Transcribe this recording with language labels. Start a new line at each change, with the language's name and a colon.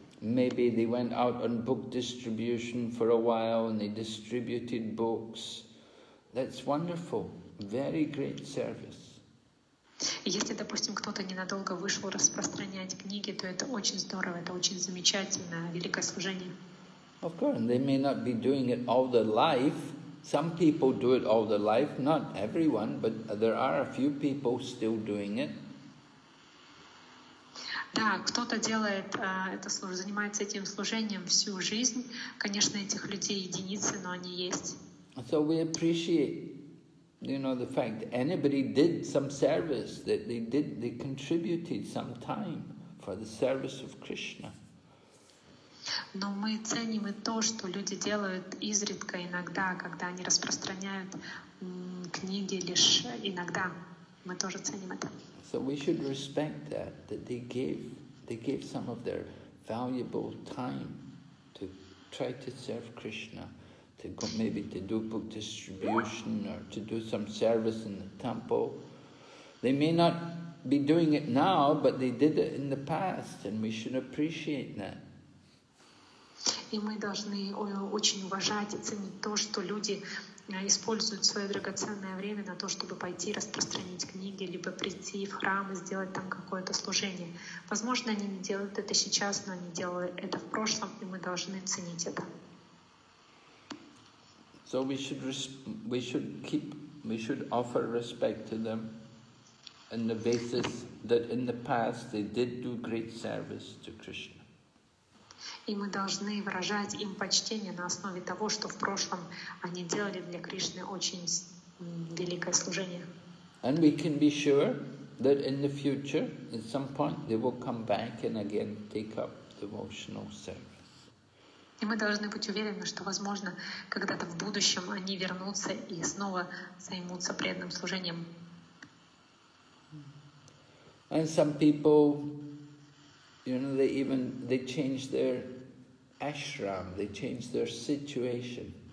English: Maybe they went out on book distribution for a while and they distributed books. That's wonderful. Very great service.
Russian: Если, допустим, кто-то ненадолго вышел распространять книги, то это очень здорово, это очень замечательно, великое служение.
English: Of course, they may not be doing it all their life. Some people do it all their life, not everyone, but there are a few people still doing it.
Russian: Да, кто-то делает это служение, занимается этим служением всю жизнь. Конечно, этих людей единицы, но они есть.
English: So we appreciate, you know, the fact that anybody did some service, that they did, they contributed some time for the service of Krishna.
Russian: Но мы ценим и то, что люди делают изредка, иногда, когда они распространяют книги лишь иногда. Мы тоже ценим это.
English: So we should respect that, that they gave some of their valuable time to try to serve Krishna, to go, maybe to do book distribution or to do some service in the temple. They may not be doing it now, but they did it in the past, and we should appreciate that.
Russian: и мы должны очень уважать и ценить то, что люди используют свое драгоценное время на то, чтобы пойти распространить книги, либо прийти в храм и сделать там какое-то служение. Возможно, они не делают это сейчас, но они делали это в прошлом, и мы должны ценить это.
English: So we should offer respect to them on the basis that in the past they did do great service to Krishna.
Russian: И мы должны выражать им почтение на основе того, что в прошлом они делали для Кришны очень великое служение.
English: And we can be sure that in the future, at some point, they will come back and again take up devotional service.
Russian: И мы должны быть уверены, что, возможно, когда-то в будущем они вернутся и снова займутся преданным служением.
English: And some people, you know, they even they change their ashram, they change their situation.